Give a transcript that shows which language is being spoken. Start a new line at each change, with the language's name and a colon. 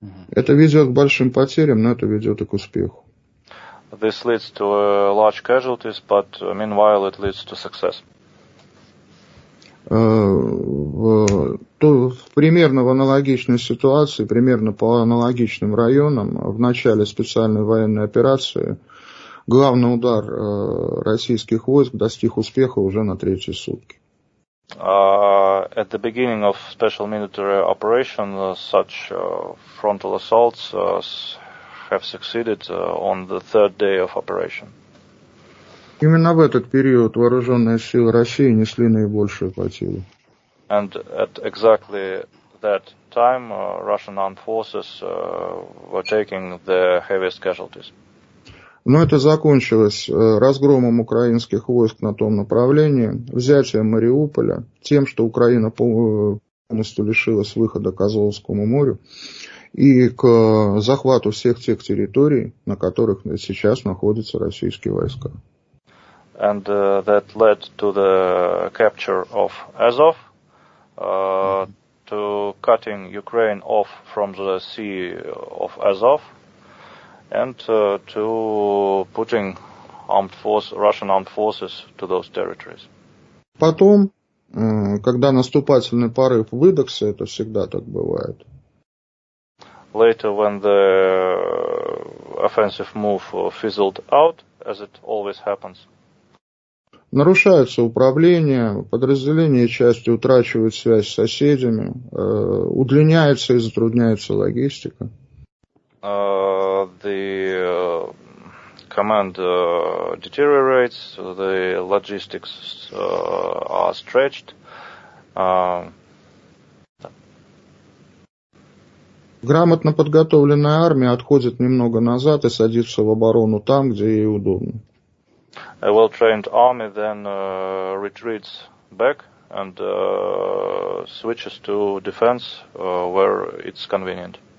Russian: Это ведет к большим потерям, но это ведет и к успеху.
English: This leads to large casualties, but meanwhile it leads to success.
Russian: Примерно в аналогичной ситуации, примерно по аналогичным районам, в начале специальной военной операции главный удар российских войск достиг успеха уже на третьи сутки.
English: At the beginning of special military operation, such frontal assaults have succeeded on the third day of operation.
Russian: Именно в этот период вооруженные силы России несли наибольшую потерю.
English: And at exactly that time, Russian armed forces were taking the heaviest casualties.
Russian: Но это закончилось разгромом украинских войск на том направлении, взятием Мариуполя, тем, что Украина полностью лишилась выхода к Азовскому морю, и к захвату всех тех территорий, на которых сейчас находятся российские войска.
English: And that led to the capture of Azov, to cutting Ukraine off from the sea of Azov, and to putting armed force, Russian armed forces to those territories.
Russian: Потом, когда наступательный порыв выдохся, это всегда так бывает.
English: Later, when the offensive move fizzled out, as it always happens,
Russian: нарушается управление, подразделения и части утрачивают связь с соседями, удлиняется и затрудняется логистика.
English: The command deteriorates, the logistics are stretched.
Russian: Грамотно подготовленная армия отходит немного назад и садится в оборону там, где ей удобно.
English: A well-trained army then retreats back and switches to defense where it's convenient.